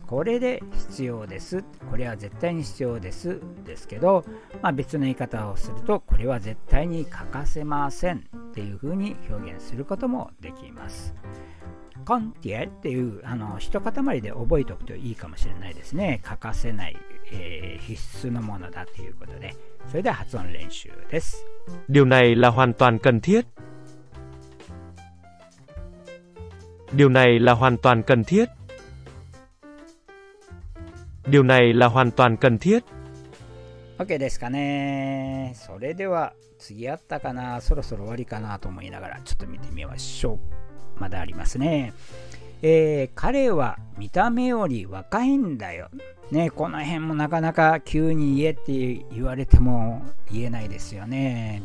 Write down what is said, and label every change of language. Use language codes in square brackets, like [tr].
[ja] これで必要です、これは絶対に必要ですですけど、まあ、別の言い方をするとこれは絶対に欠かせませんっていうふうに表現することもできます。コンティエっていう一塊で覚えておくといいかもしれないですね。欠かせない、必須のものだということで、それでは発音練習です。 [vi] Điều này là hoàn toàn cần thiết。 Điều này là hoàn toàn cần thiết。 Điều này là hoàn toàn cần thiết。 [ja] OK ですかね。それでは次あったかな、そろそろ終わりかなと思いながらちょっと見てみましょう。まだありますね。彼は見た目より若いんだよ、ね、この辺もなかなか急に言えって言われても言えないですよね。